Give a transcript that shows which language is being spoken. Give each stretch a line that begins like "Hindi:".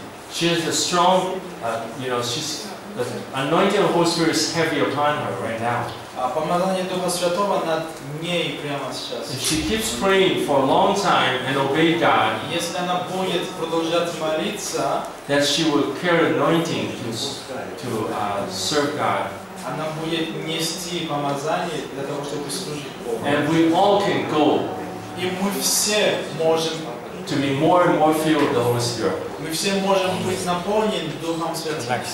English: She is a strong, she's the anointing of the Holy Spirit is heavy upon her right now.
Russian: Помазание Духа Святого над ней прямо сейчас.
English: If she keeps praying for a long time and obey God,
Russian: если она будет продолжать молиться,
English: that she will carry anointing to serve God.
Russian: Она будет нести помазание для того, чтобы служить Богу.
English: And we all can go.
Russian: И мы все можем
English: to be more and more filled with the Holy Spirit.
Russian: Мы все можем быть наполнены Духом Святым.